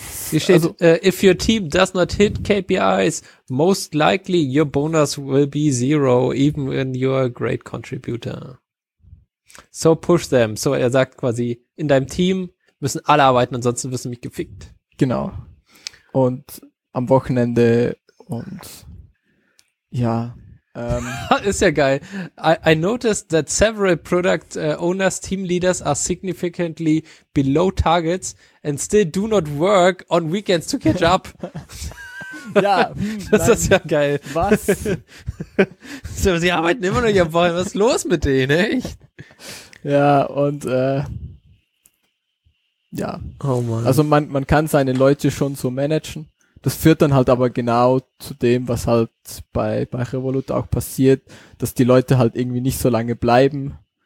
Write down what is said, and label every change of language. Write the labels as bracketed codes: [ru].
[de] Hier steht, also, [en] if your team does not hit KPIs, most likely your bonus will be zero, even when you're a great contributor. So push them. [de] So er sagt quasi, in deinem Team müssen alle arbeiten, ansonsten wirst du mich gefickt. Genau. Und am Wochenende und ja, ist ja geil. [en] I noticed that several product owners, team leaders are significantly below targets and still do not work on weekends to catch up. [de] Ja, das ist ja geil. Was? Sie arbeiten immer noch am Wochenende. Was ist los mit denen, echt? Ja, und ja. Oh Mann. Also man kann seine Leute schon so managen. Das führt dann halt aber genau zu dem, was halt bei Revolut auch passiert, dass die Leute halt irgendwie nicht so lange bleiben.